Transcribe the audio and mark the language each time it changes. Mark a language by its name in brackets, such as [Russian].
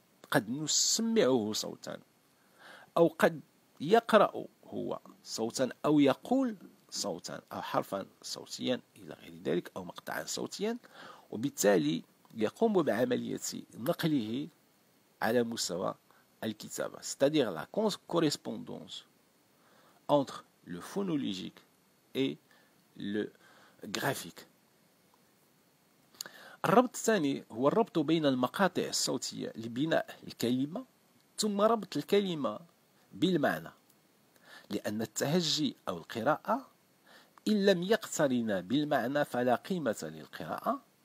[Arabic] قد نسمعه صوتا، أو قد يقرأ هو صوتا، أو يقول صوتا، أو حرفا صوتيا إلى غير ذلك، أو مقطعا صوتيا، وبالتالي يقوم بعملية نقله على مستوى الكتابة. [French] C'est-à-dire la correspondance entre le phonologique et le graphique. [Arabic] الربط الثاني هو الربط بين المقاطع الصوتية لبناء الكلمة، ثم ربط الكلمة بالمعنى، لأن التهجي أو القراءة إن لم يقترن بالمعنى فلا قيمة للقراءة.